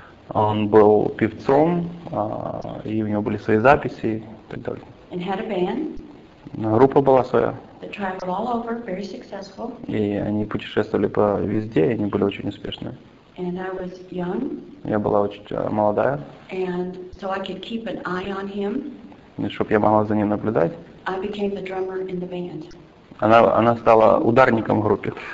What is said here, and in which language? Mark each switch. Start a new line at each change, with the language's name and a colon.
Russian: Он был певцом, и у него были свои записи и так далее.
English: And had a band.
Russian: Группа была своя.
English: They traveled all over, very successful.
Russian: И они путешествовали по везде, и они были очень успешны.
English: And I was young.
Russian: Я была очень молодая.
English: And so I could keep an eye on him.
Russian: И чтоб я могла за ним наблюдать.
English: I became the drummer in the band.
Russian: Она стала ударником в группе.